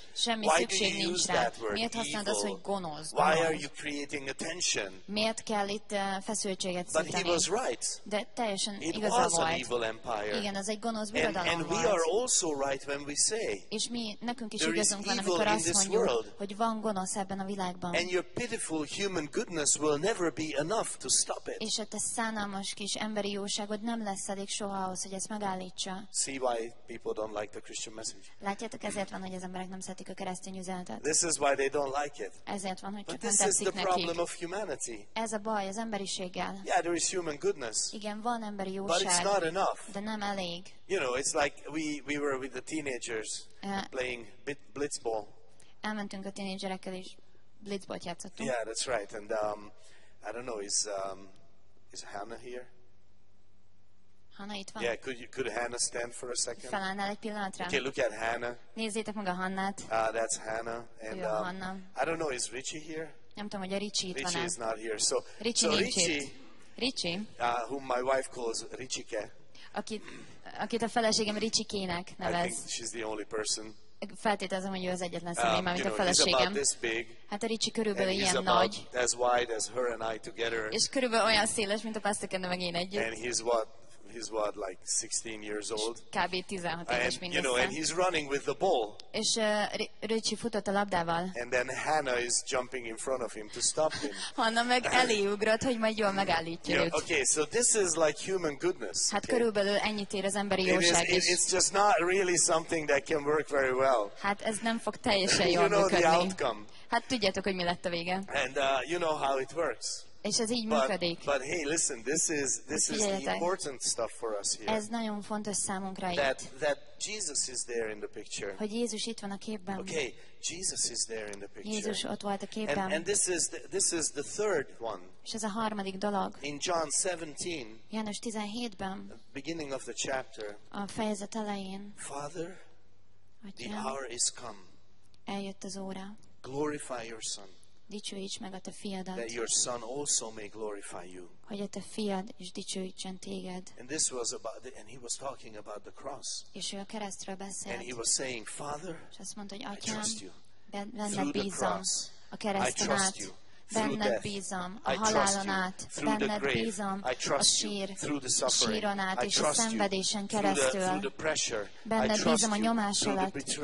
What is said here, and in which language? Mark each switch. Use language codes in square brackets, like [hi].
[hu] Semmi szükség nincs rá. Miért használod azt, hogy gonosz? [en] Why are you creating attention? [hu] Miért kell itt feszültséget szíteni? [en] But he was right. [hu] De teljesen [en] it [hu] igaza [en] was [hu] volt. [en] An evil empire. [hu] Igen, ez egy gonosz birodalom [en] and we [hu] volt. [en] Are also right when we say, [hu] és mi, nekünk is igazunk van, amikor azt mondjuk, hogy van gonosz ebben a világban. [en] And your pitiful human goodness will never be enough to stop it. [hu] És a te szánalmas kis emberi jóságod nem lesz elég soha ahhoz, hogy ezt megállítsa. [en] See why people don't like the Christian message. [hu] Látjátok, ezért van, hogy az emberek nem szeretik a keresztény üzenetet. [en] This is why they don't like it. [hu] Ezért van, hogy [en] but [hu] csak nem tetszik nekik. [en] But this is the problem of humanity. [hu] Ez a baj az emberiséggel. [en] Yeah, there is human goodness. [hu] Igen, van emberi jóság. [en] But it's not enough. [hu] De nem elég. [en] You know, it's like we were with the teenagers playing blitzball. [hu] Elmentünk a tínédzserekkel is. Blitzballt játszottunk. [en] Yeah, that's right. And I don't know, is Hannah here? [hu] Hannah itt van. [en] Yeah, could Hannah stand for a second? [hu] Felállnál egy pillanatra. [en] Okay, look at Hannah. [hu] Nézzétek meg a Hannát. [en] That's Hannah. And [hu] jó, Hannah. [en] I don't know, is Richie here? [hu] Nem tudom, hogy a Richie itt van. [en] Richie is not here. So Richie. So Richie. Whom my wife calls Richike. [hu] Akit a feleségem Richikének nevez. [en] I think she's the only person. [hu] Feltételezem, hogy ő az egyetlen személy, mint a feleségem. Hát a Ricsi körülbelül ilyen nagy. [en] As wide as her and I together. [hu] És körülbelül olyan széles, mint a pastakendő meg én együtt. [en] And he's what like 16 years old. [hu] Kb. 16 éves mindössze. [en] You know, and he's running with the ball. [hu] És Ricsi futott a labdával. [en] And then Hannah is jumping in front of him to stop him. [hu] Hannah meg elé ugrott, hogy majd jól megállítja őt. [en] Okay, so this is like human goodness. [hu] Hát [en] okay. [hu] Körülbelül ennyit ér az emberi jóság is. [en] It's just not really something that can work very well. [hu] Hát ez nem fog teljesen jól működni. [en] You know the outcome. [hu] Hát tudjátok, hogy mi lett a vége. [en] And you know how it works. [hu] És ez így működik. [en] But hey, listen, this is the important stuff for us here. [hu] Ez nagyon fontos számunkra itt. [en] That Jesus is there in the picture. [hu] Hogy Jézus itt van a képben. [en] Okay, Jesus is there in the picture. [hu] Jézus ott volt a képben. [en] And this is the third one. [hu] És ez a harmadik dolog. [en] In John 17. [hu] János 17-ben. [en] Beginning of the chapter. [hu] A fejezet elején. [en] Father, [hu] Atyám, [en] the hour is come. [hu] Eljött az óra. [en] Glorify your son. [hu] Dicsőíts meg a te fiadat. [en] That your son also may glorify you. [hu] Hogy a te fiad is dicsőítsen téged. [en] And this was about the, and he was talking about the cross. [hu] És ő a keresztről beszélt. [en] And he was saying, Father, [hu] és azt mondta, hogy Atyám, [en] I trust you. [hu] Benned bízom a kereszten át. Benned bízom a halálon át. Benned bízom a sír. A síron át és a szenvedésen keresztül. Benned bízom a nyomás alatt.